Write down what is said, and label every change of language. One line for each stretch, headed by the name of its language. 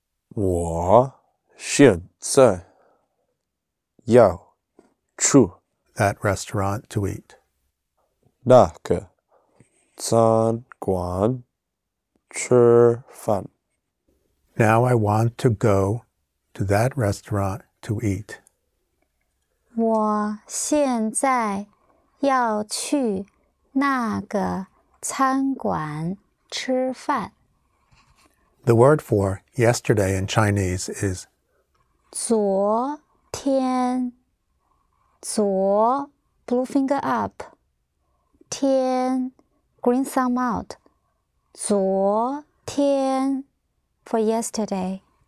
Chinese: 我现在要去
English: that restaurant to eat.
Chinese: 那个餐馆吃饭。
English: Now I want to go to that restaurant to eat.
Chinese: 我现在要去那个餐馆吃饭。
English: The word for yesterday in Chinese is 昨天。昨, blue finger up. 天, green thumb out. 昨天, for yesterday.